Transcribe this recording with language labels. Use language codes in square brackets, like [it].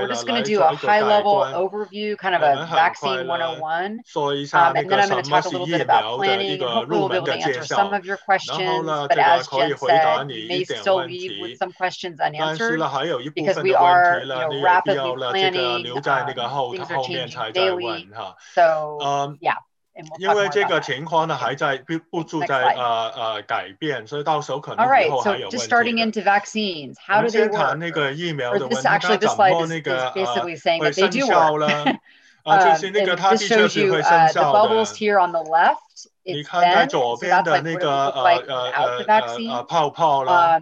[en] We're just going to do a high-level overview, kind of a vaccine 101, and then I'm going to talk a little bit about planning. Hopefully, we'll be able to answer some of your questions, but as Jen said, you may still leave with some questions unanswered, because we are rapidly planning. Things are changing daily. So, yeah. We'll、 [zh] 因为这个情况呢还在不住在改变，所以到时候可能以后还有问题。 [en] All right, so just starting into vaccines, how do they work? [zh] 先谈那个疫苗的问题。 [en] Actually, this slide is basically saying that they do work. this shows you the bubbles here on the left. It's bent, so that's like what it looks like without the vaccine. [zh] 泡泡啦。